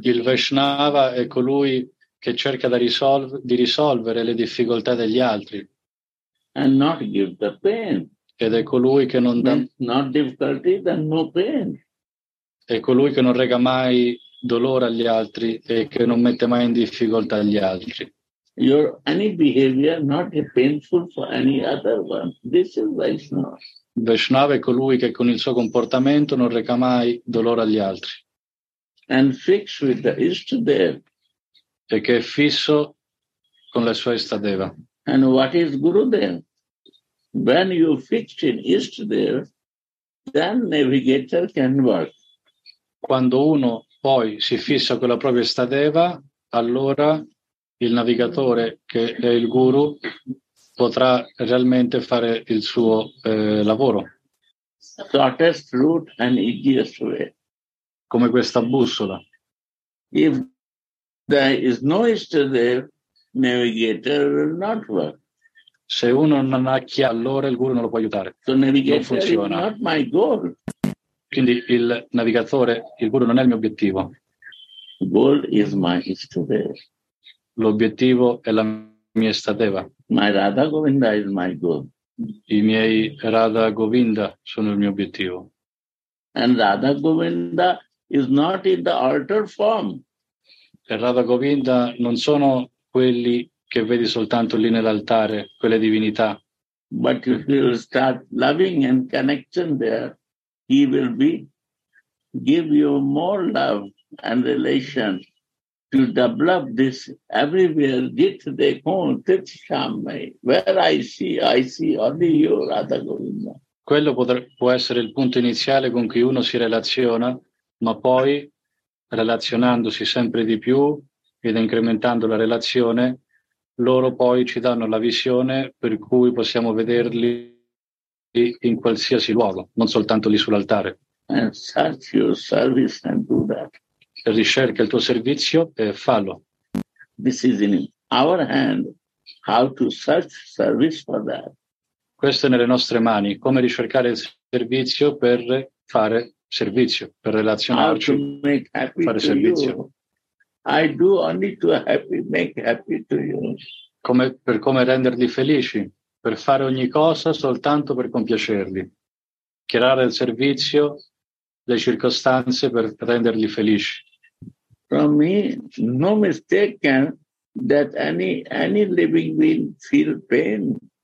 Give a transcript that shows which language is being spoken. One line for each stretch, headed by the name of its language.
Italian: Il Vaisnava è colui che cerca di risolvere le difficoltà degli altri.
English: And not give the pain.
Italian: Ed è colui che non dà.
English: Not difficulty, then no pain.
Italian: È colui che non rega mai dolore agli altri e che non mette mai in difficoltà gli altri.
English: Your any behavior not painful for any other one. This is Vaisnava.
Italian: Vaisnava è colui che con il suo comportamento non reca mai dolore agli altri.
English: And fixed with the Ishtadeva.
Italian: E che è fisso con la sua Ishtadeva.
English: And what is Gurudev? when you fix in east there, then navigator can work.
Italian: Quando uno poi si fissa con la propria stadeva, allora il navigatore, che è il guru, potrà realmente fare il suo lavoro.
English: Shortest route and easiest way.
Italian: Come questa bussola.
English: If there is no stadeva, navigator will not work.
Italian: Se uno non ha chi, allora il guru non lo può aiutare.
English: The navigator
Italian: non funziona.
English: Is not my goal.
Italian: Quindi il navigatore, il guru, non è il mio obiettivo.
English: Goal is my stadeva.
Italian: L'obiettivo è la mia stadeva.
English: My Radha Govinda is my goal.
Italian: I miei Radha Govinda sono il mio obiettivo.
English: And Radha Govinda is not in the altered form.
Italian: E Radha Govinda non sono quelli che vedi soltanto lì nell'altare, quelle divinità.
English: But if you start loving and connection there, he will be give you more love and relation to develop this everywhere.
Hindi: Jit dekhon tit shamai.
English: Where I see only you, Radha Govinda.
Italian: Quello può essere il punto iniziale con cui uno si relaziona, ma poi, relazionandosi sempre di più ed incrementando la relazione, loro poi ci danno la visione per cui possiamo vederli in qualsiasi luogo, non soltanto lì sull'altare.
English: And search your service and do that.
Italian: Ricerca il tuo servizio e fallo.
English: This is in our hand, how to search service for that.
Italian: Questo è nelle nostre mani, come ricercare il servizio per fare servizio, per relazionarci,
English: how to make happy
Italian: fare
English: to
Italian: servizio.
English: You. I do only to happy, make happy to you.
Italian: Come, per come renderli felici, per fare ogni cosa soltanto per compiacerli. Creare il servizio, le circostanze per renderli felici.
English: For me, no mistake that any living being feel pain.